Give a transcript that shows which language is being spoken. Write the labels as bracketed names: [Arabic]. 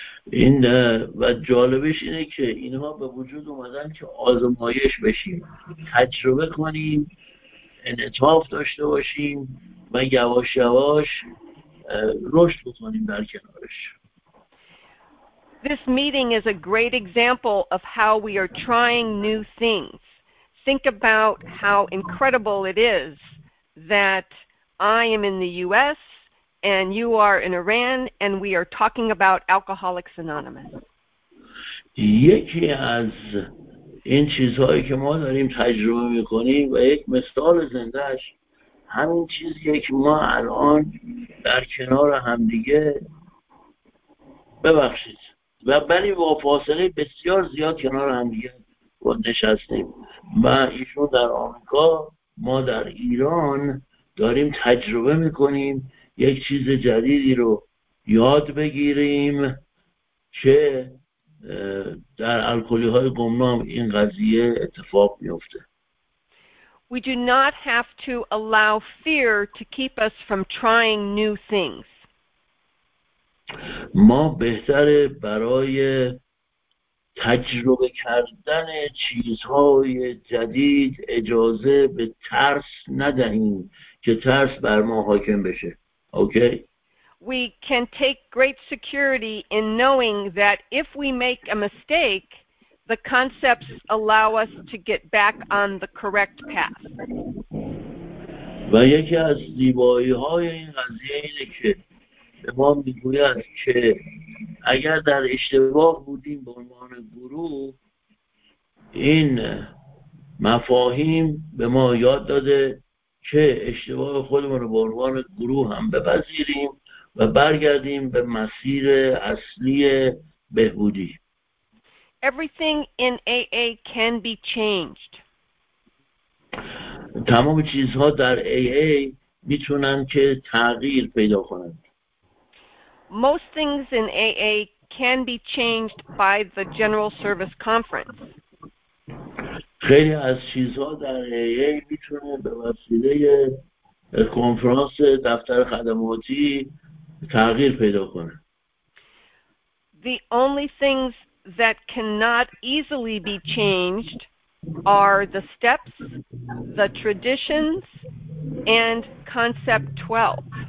[Persian] این و جالبش اینه که اینها به وجود اومدن که آزمایش بشیم، تجربه کنیم، انعطاف داشته باشیم و یواش یواش رشد بکنیم در کنارش. [English] This meeting is a great example of how we are trying new things. Think about how incredible it is that I am in the U.S. and you are in Iran and we are talking about Alcoholics Anonymous. [Persian] یکی از این چیزهایی که ما داریم تجربه می‌کنیم و یک مثال زنده‌اش همین چیزیه که ما الان در کنار همدیگه ببخشید و بلی با فاصله بسیار زیاد کنار هم دیگه نشستیم و ایشون در آمریکا ما در ایران داریم تجربه میکنیم یک چیز جدیدی رو یاد بگیریم که در الکلی های گمنام این قضیه اتفاق میفته. [English] We do not have to allow fear to keep us from trying new things. [Persian] ما بهتره برای تجربه کردن چیزهای جدید اجازه به ترس ندهیم که ترس بر ما حاکم بشه. [English] Okay? We can take great security in knowing that if we make a mistake, the concepts allow us to get back on the correct path. [Persian] و یکی از زیبایی‌های این قضیه اینه که ما میگوید که اگر در اشتباه بودیم به عنوان گروه، این مفاهیم به ما یاد داده که اشتباه خودمون رو به عنوان گروه هم بپذیریم و برگردیم به مسیر اصلی بهبودی. [English] Everything in AA can be changed. [Persian] تمام چیزها در AA میتونن که تغییر پیدا کنن. [English] Most things in AA can be changed by the General Service Conference. [Persian] خیلی از چیزها در AA میتونه به وسیله کنفرانس دفتر خدماتی تغییر پیدا کنه. [English] The only things that cannot easily be changed are the steps, the traditions, and Concept 12.